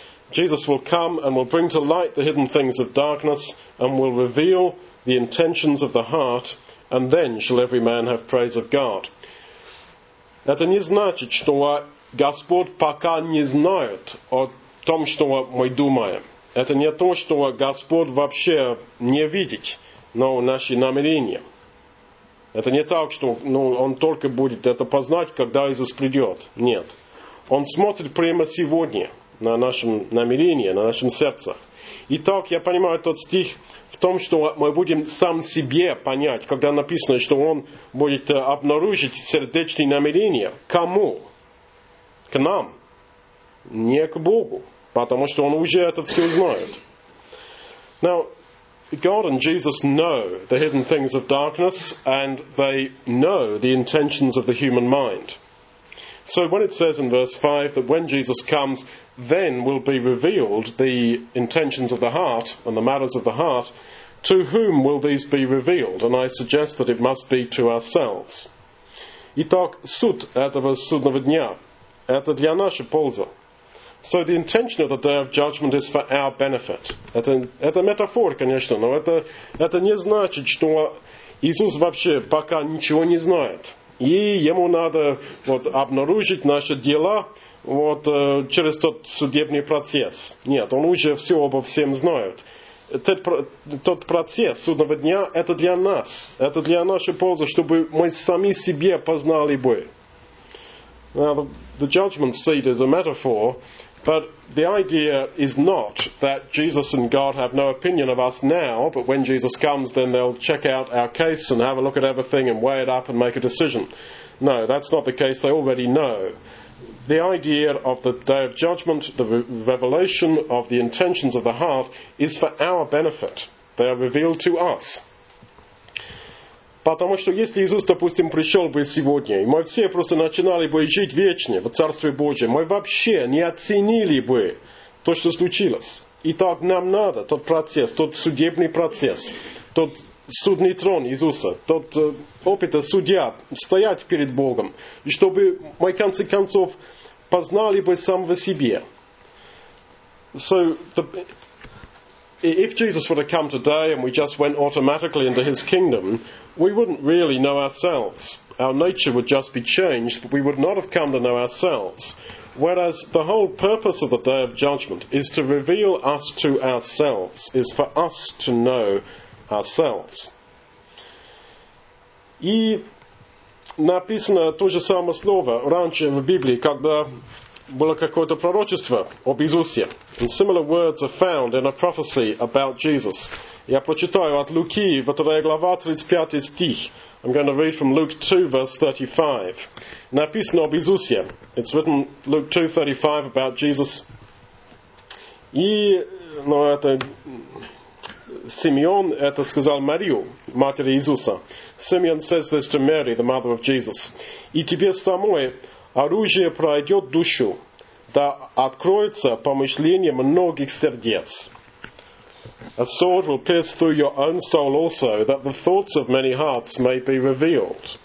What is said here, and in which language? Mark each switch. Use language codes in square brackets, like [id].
[en] Jesus will come and will bring to light the hidden things of darkness and will reveal the intentions of the heart, and then shall every man have praise of God. [ru] Это не значит, что Господь пока не знает о том, что мы думаем. Это не то, что Господь вообще не видит, но наши намерения. Это не так, что он только будет это познать, когда Иисус придет. Нет. Он смотрит прямо сегодня на нашем намерении, на нашем сердце. Итак, я понимаю этот стих в том, что мы будем сам себе понять, когда написано, что он будет обнаружить сердечные намерения. Кому? К нам. Не к Богу. Потому что он уже это все знает. [en] Now, God and Jesus know the hidden things of darkness, and they know the intentions of the human mind. So when it says in verse 5 that when Jesus comes, then will be revealed the intentions of the heart and the matters of the heart, to whom will these be revealed? And I suggest that it must be to ourselves. [ru] Итак, суть этого судного дня – это для нашей пользы. [en] So the intention of the day of judgment is for our benefit. [ru] Это метафора, конечно, но это не значит, что Иисус вообще пока ничего не знает. И ему надо вот обнаружить наши дела вот через тот судебный процесс. Нет, он уже все обо всем знает. Тот процесс судного дня – это для нас. Это для нашей пользы, чтобы мы сами себе познали бы. [en] Now, the judgment seat is a metaphor, but the idea is not that Jesus and God have no opinion of us now, but when Jesus comes, then they'll check out our case and have a look at everything and weigh it up and make a decision. No, that's not the case. They already know. The idea of the day of judgment, the revelation of the intentions of the heart, is for our benefit. They are revealed to us. [ru] Потому что если Иисус, допустим, пришел бы сегодня, и мы все просто начинали бы жить вечно в Царстве Божьем, мы вообще не оценили бы то, что случилось. Итак, нам надо тот процесс, тот судебный процесс, тот судный трон Иисуса, тот опыт судья стоять перед Богом, и чтобы мы, в конце концов, познали бы самого себе. [en] If Jesus were to come today and we just went automatically into his kingdom, we wouldn't really know ourselves. Our nature would just be changed, but we would not have come to know ourselves. Whereas the whole purpose of the Day of Judgment is to reveal us to ourselves, is for us to know ourselves. [ru] И написано то же самое слово раньше в Библии, когда было какое-то пророчество об Иисусе. [en] And similar words are found in a prophecy about Jesus. [ru] Я прочитаю от Луки, в этой главе 35 стих. [en] I'm going to read from Luke 2, verse 35. [ru] Написано об Иисусе. [en] It's written Luke 2, 35 about Jesus. [ru] И, ну, это Симеон это сказал Марию, матери Иисуса. [en] Симеон says this to Mary, the mother of Jesus. [ru] И тебе самой оружие пройдет душу, да откроется помышление многих сердец. [en] A sword will pierce through your own soul also, that the thoughts of many hearts may be revealed.